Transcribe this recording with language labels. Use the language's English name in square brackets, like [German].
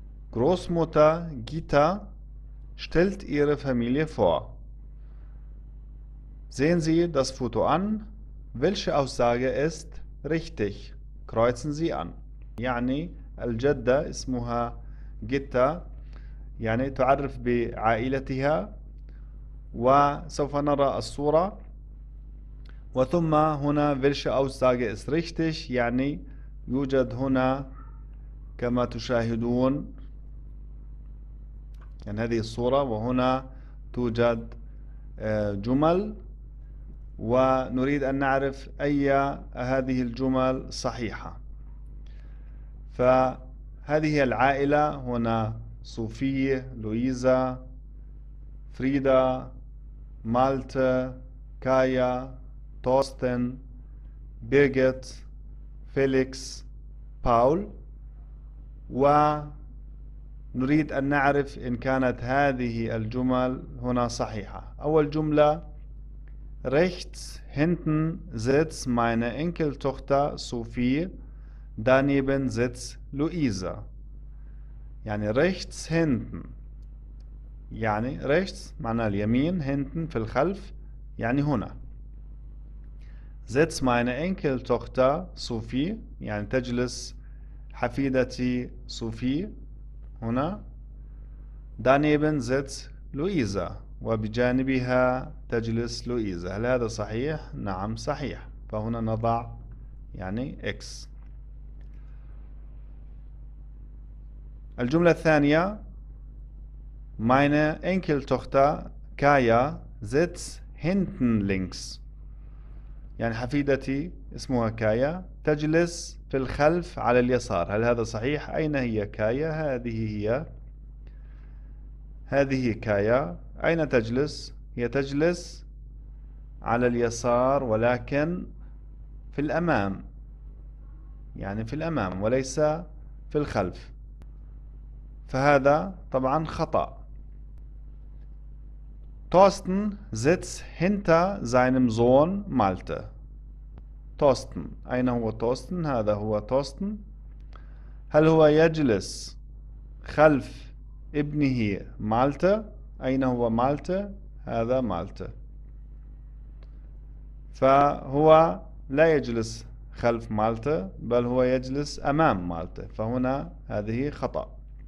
[German] Großmutter Gita stellt ihre Familie vor. Sehen Sie das Foto an. Welche Aussage ist richtig? Kreuzen Sie an. [Arabic] يعني الجدة اسمها جيتا, يعني تعرف بعائلتها, وسوف نرى الصورة. وثم هنا [German] welche Aussage ist richtig, [Arabic] يعني يوجد هنا كما تشاهدون, يعني هذه الصورة, وهنا توجد جمل, ونريد أن نعرف أي هذه الجمل صحيحة. فهذه العائلة, هنا صوفية, لويزا, فريدا, مالتا, كايا, توستن, بيرغيت, فيليكس, باول, ونريد أن نعرف إن كانت هذه الجمل هنا صحيحة. أول جملة, [German] rechts hinten sitzt meine Enkeltochter Sophie, daneben sitzt Luisa. [Arabic] يعني [German] rechts hinten, [Arabic] يعني rechts معنى اليمين, hinten في الخلف يعني هنا. [German] Sitzt meine Enkeltochter Sophie, [Arabic] يعني تجلس حفيدتي Sophie هنا. [German] Daneben sitzt Luisa, [Arabic] وبجانبها تجلس لويزا. هل هذا صحيح؟ نعم صحيح. فهنا نضع يعني X. الجملة الثانية, [German] meine Enkeltochter Kaya sitzt hinten links, [Arabic] يعني حفيدتي اسمها كايا تجلس في الخلف على اليسار. هل هذا صحيح؟ أين هي كايا؟ هذه هي, هذه كايا. أين تجلس؟ هي تجلس على اليسار ولكن في الأمام, يعني في الأمام وليس في الخلف, فهذا طبعا خطأ. [German] توستن sitzt hinter seinem Sohn Malte. [Arabic] توستن, أين هو توستن؟ هذا هو توستن. هل هو يجلس خلف ابنه مالتا؟ أين هو مالتا؟ هذا مالتا. فهو لا يجلس خلف مالتا بل هو يجلس أمام مالتا, فهنا هذه خطأ.